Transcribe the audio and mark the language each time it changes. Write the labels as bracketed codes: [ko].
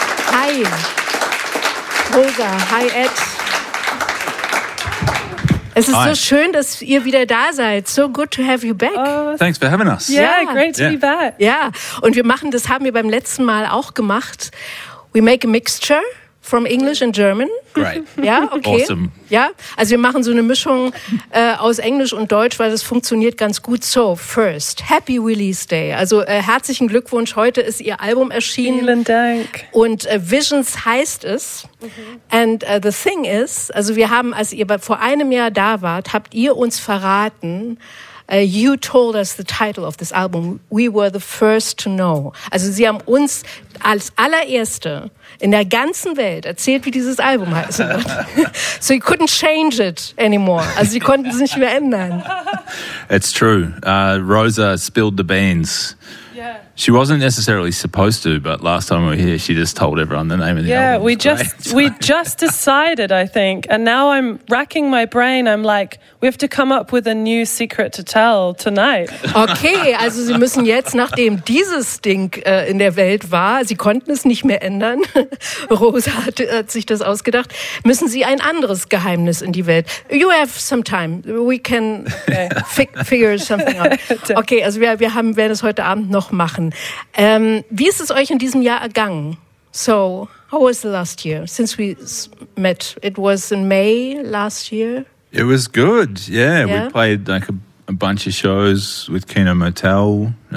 [en] Hi, Rosa, hi Ed. [de] Es ist so schön, dass ihr wieder da seid. [en] So good to have you back. Thanks for having us. Yeah, great to be back. [de] Yeah, und wir machen, das haben wir beim letzten Mal auch gemacht. [en] We make a mixture from English and German. Great. [de] Ja, okay. [en] Awesome. [de] Ja, also wir machen so eine Mischung aus Englisch und Deutsch, weil das funktioniert ganz gut. [en] So, first, happy release day. [de] Also herzlichen Glückwunsch, heute ist Ihr Album erschienen. Vielen Dank. Und Visions heißt es. Mhm. [en] And the thing is, [de] also wir haben, als ihr vor einem Jahr da wart, habt ihr uns verraten, [en] you told us the title of this album. We were the first to know. [de] Also sie haben uns als allererste in der ganzen Welt erzählt, wie dieses Album heißen wird. [en] So you couldn't change it anymore. [de] Also sie konnten es nicht mehr ändern. [en] It's true. Rosa spilled the beans. She wasn't necessarily supposed to, but last time we were here, she just told everyone the name of the album. Yeah, we just decided, I think. And now I'm racking my brain. I'm like, we have to come up with a new secret to tell tonight. [de] Okay, also Sie müssen jetzt, nachdem dieses Ding in der Welt war, Sie konnten es nicht mehr ändern, Rosa hat sich das ausgedacht, müssen Sie ein anderes Geheimnis in die Welt. [en] You have some time. We can figure something out. [de] Okay, also wir werden es heute Abend noch machen. Wie ist es euch in diesem Jahr ergangen? [en] So, how was the last year since we met? It was in May last year. It was good, yeah. We played like a bunch of shows with Kino Motel.